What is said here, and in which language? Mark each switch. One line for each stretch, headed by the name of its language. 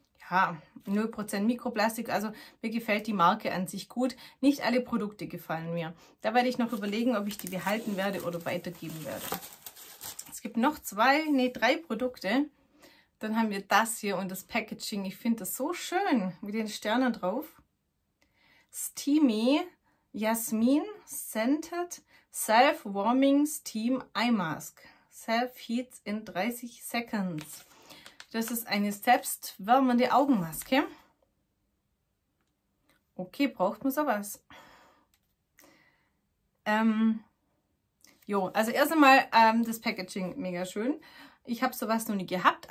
German: Ja, 0% Mikroplastik, also mir gefällt die Marke an sich gut. Nicht alle Produkte gefallen mir. Da werde ich noch überlegen, ob ich die behalten werde oder weitergeben werde. Es gibt noch drei Produkte. Dann haben wir das hier und das Packaging. Ich finde das so schön mit den Sternen drauf.
English: Steamy Jasmin Scented Self-Warming Steam Eye Mask. Self-Heats in 30 Seconds.
German: Das ist eine selbstwärmende Augenmaske. Okay, braucht man sowas. Also erst einmal das Packaging, mega schön. Ich habe sowas noch nie gehabt.